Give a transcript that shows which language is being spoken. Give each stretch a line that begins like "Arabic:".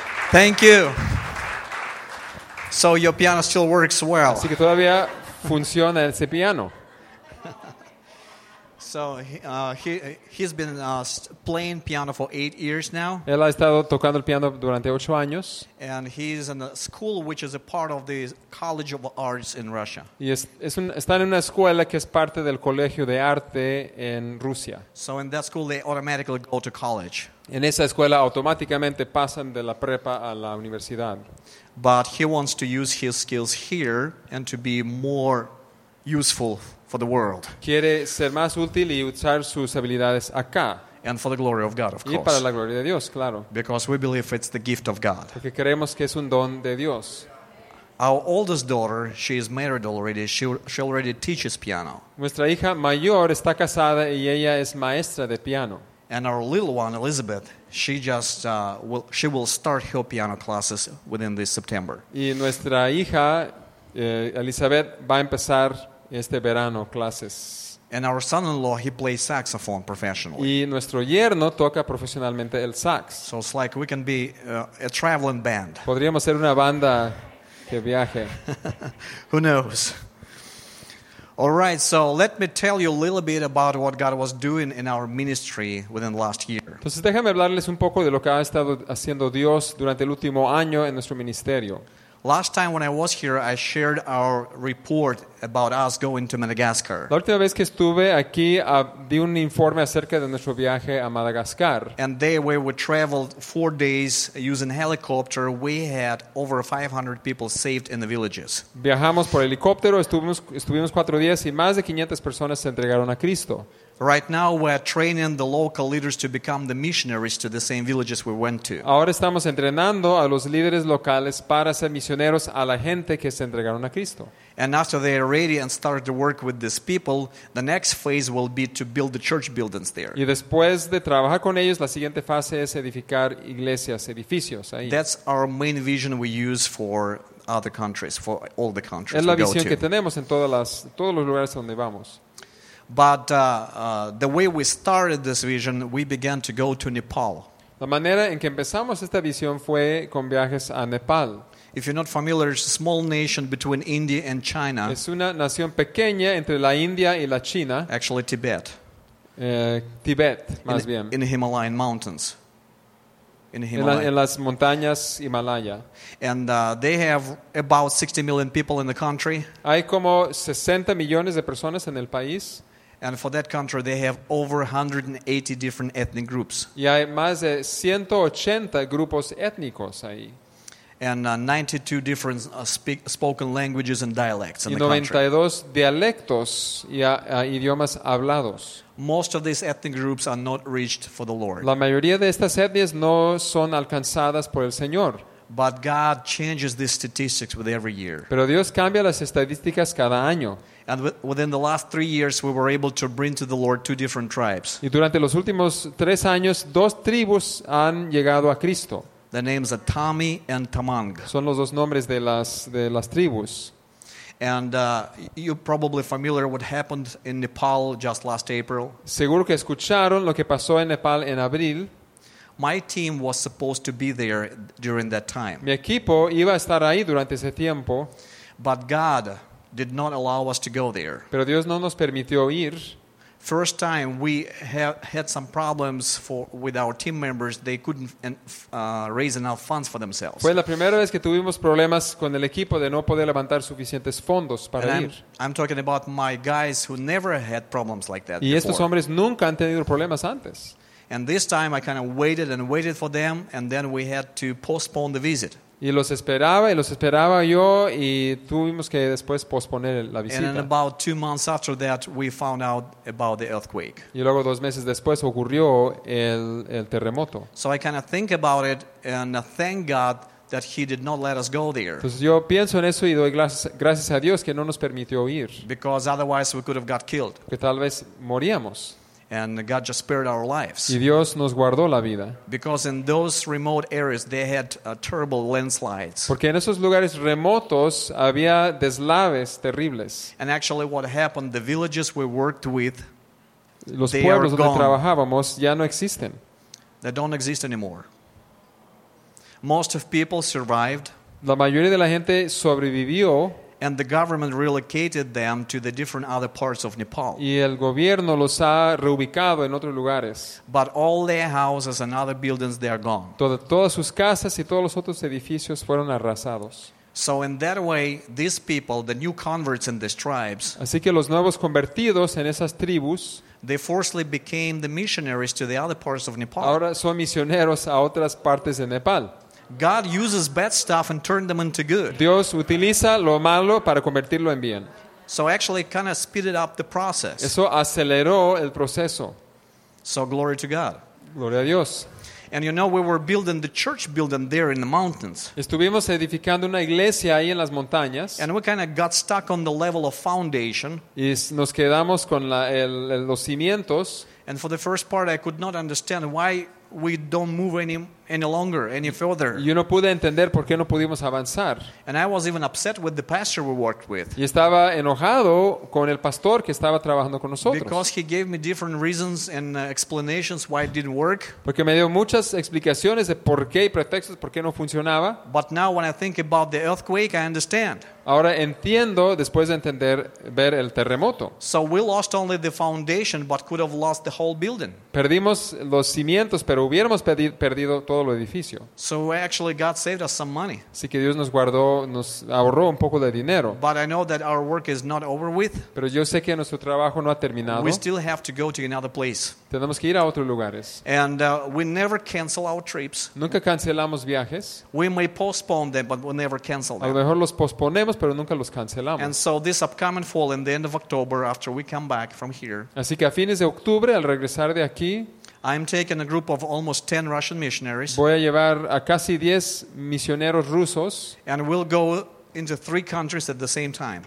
English: Thank you. So your piano still works well.
Spanish: Así que todavía funciona ese piano.
English: So he's been playing piano for 8 years now.
Spanish: Él ha estado tocando el piano durante 8 años.
English: And he's in a school which is a part of the College of Arts in Russia.
Spanish: Y está en una escuela que es parte del Colegio de Arte en Rusia.
English: So in that school they automatically go to college.
Spanish: En esa escuela automáticamente pasan de la prepa a la universidad.
English: But he wants to use his skills here and to be more useful for the world.
Spanish: Quiere ser más útil y usar sus habilidades acá.
English: And for the glory of God, of course.
Spanish: Y para la gloria de Dios, claro.
English: Because we believe it's the gift of God.
Spanish: Porque creemos que es un don de Dios.
English: Our oldest daughter, she is married already. She already teaches piano.
Spanish: Nuestra hija mayor está casada y ella es maestra de piano.
English: And our little one, Elizabeth, she just will start her piano classes within this September.
Spanish: Y nuestra hija Elizabeth va a empezar este verano clases.
English: And our son-in-law, he plays saxophone professionally.
Spanish: Y nuestro yerno toca profesionalmente el sax.
English: So it's like we can be a traveling band.
Spanish: Podríamos ser una banda que viaje.
English: Who knows? All right, so let me tell you a little bit about what God was doing in our ministry within the last year.
Spanish: Entonces déjame hablarles un poco de lo que ha estado haciendo Dios durante el último año en nuestro ministerio.
English: Last time when I was here, I shared our report about us going to Madagascar.
Spanish: La última vez que estuve aquí, di un informe acerca de nuestro viaje a Madagascar.
English: And there we traveled 4 days using helicopter. We had over 500 people saved in the villages.
Spanish: Viajamos por helicóptero, estuvimos 4 días y más de 500 personas se entregaron a Cristo.
English: Right now we're training the local leaders to become the missionaries to the same villages we went to.
Spanish: Ahora estamos entrenando a los líderes locales para ser misioneros a la gente que se entregaron a Cristo.
English: And after they are ready and start to work with these people, the next phase will be to build the church buildings there.
Spanish: Y después de trabajar con ellos, la siguiente fase es edificar iglesias, edificios ahí.
English: That's our main vision we use for other countries, for all the countries.
Spanish: Es la visión que tenemos en todos los lugares donde vamos.
English: But the way we started this vision, we began to go to Nepal.
Spanish: La manera en que empezamos esta visión fue con viajes a Nepal.
English: If you're not familiar, it's a small nation between India and China.
Spanish: Es una nación pequeña entre la India y la China.
English: Actually, Tibet.
Spanish: Tibet, más bien.
English: In the Himalayan mountains.
Spanish: En las montañas Himalaya.
English: And they have about 60 million people in the country.
Spanish: Hay como 60 millones de personas en el país.
English: And for that country, they have over 180 different ethnic groups.
Spanish: Y hay más de 180 grupos étnicos ahí.
English: And 92 different spoken languages and dialects in the country.
Spanish: Y 92 dialectos y idiomas hablados.
English: Most of these ethnic groups are not reached for the Lord.
Spanish: La mayoría de estas etnias no son alcanzadas por el Señor.
English: But God changes these statistics with every year.
Spanish: Pero Dios cambia las estadísticas cada año.
English: And within the last 3 years, we were able to bring to the Lord 2 different tribes.
Spanish: Y durante los últimos 3 años, 2 tribus han llegado a Cristo.
English: The names are Tami and Tamang.
Spanish: Son los dos nombres de las tribus.
English: And you're probably familiar what happened in Nepal just last April.
Spanish: Seguro que escucharon lo que pasó en Nepal en abril.
English: My team was supposed to be there during that time.
Spanish: Mi equipo iba a estar ahí durante ese tiempo.
English: But God did not allow us to go there.
Spanish: Pero Dios no nos permitió ir.
English: First time we had some problems with our team members. They couldn't raise enough funds for themselves.
Spanish: Fue la primera vez que tuvimos problemas con el equipo de no poder levantar suficientes fondos para
English: and
Spanish: ir.
English: I'm talking about my guys who never had problems like that
Spanish: y Y estos hombres nunca han tenido problemas antes.
English: And this time I kind of waited and waited for them, and then we had to postpone the visit.
Spanish: Y los esperaba y los esperaba yo y tuvimos que después posponer la visita.
English: And in about 2 months after that, we found out about the earthquake.
Spanish: Y luego 2 meses después ocurrió el terremoto.
English: So I kind of think about it and thank God that He did not let us go there.
Spanish: Entonces yo pienso en eso y doy gracias a Dios que no nos permitió ir.
English: Because otherwise we could have got killed.
Spanish: Que tal vez moríamos.
English: And God just spared our lives.
Spanish: Y Dios nos guardó la vida.
English: Because in those remote areas they had terrible landslides.
Spanish: Porque en esos lugares remotos había deslaves terribles.
English: And actually what happened, the villages we worked with,
Spanish: los pueblos donde trabajábamos ya no existen.
English: They don't exist anymore. Most of people survived.
Spanish: La mayoría de la gente sobrevivió.
English: And the government relocated them to the different other parts of Nepal.
Spanish: Y el gobierno los ha reubicado en otros lugares.
English: But all their houses and other buildings, they are gone.
Spanish: Todas sus casas y todos los otros edificios fueron arrasados.
English: So in that way, these people, the new converts in these tribes,
Spanish: así que los nuevos convertidos en esas tribus,
English: they forcibly became the missionaries to the other parts of Nepal.
Spanish: Ahora son misioneros a otras partes de Nepal.
English: God uses bad stuff and turns them into good.
Spanish: Dios utiliza lo malo para convertirlo en bien.
English: So actually it kind of speeded up the process.
Spanish: Eso aceleró el proceso.
English: So glory to God.
Spanish: Gloria a Dios.
English: And you know, we were building the church building there in the mountains.
Spanish: Estuvimos edificando una iglesia ahí en las montañas.
English: And we kind of got stuck on the level of foundation.
Spanish: Y nos quedamos con los cimientos.
English: And for the first part, I could not understand why we don't move any longer, any further.
Spanish: Yo no pude entender por qué no pudimos avanzar.
English: And I was even upset with the pastor we worked with.
Spanish: Y estaba enojado con el pastor que estaba trabajando con nosotros.
English: Because he gave me different reasons and explanations why it didn't work.
Spanish: Porque me dio muchas explicaciones de por qué y pretextos por qué no funcionaba.
English: But now when I think about the earthquake, I understand.
Spanish: Ahora entiendo después de entender ver el terremoto.
English: So we lost only the foundation, but could have lost the whole building.
Spanish: Perdimos los cimientos, pero hubiéramos perdido todo el edificio.
English: So actually God saved us some money.
Spanish: Así que Dios nos guardó, nos ahorró un poco de dinero.
English: But I know that our work is not over with.
Spanish: Pero yo sé que nuestro trabajo no ha terminado.
English: We still have to go to another place.
Spanish: Tenemos que ir a otros lugares.
English: And we never cancel our trips.
Spanish: Nunca cancelamos viajes.
English: We may postpone them, but we never cancel them.
Spanish: A lo mejor los posponemos, pero nunca los cancelamos.
English: And so this upcoming fall, in the end of October, after we come back from here.
Spanish: Así que a fines de octubre, al regresar de aquí.
English: I'm taking a group of almost 10 Russian missionaries.
Spanish: Voy a llevar a casi 10 misioneros rusos.
English: And we'll go into 3 countries at the same time.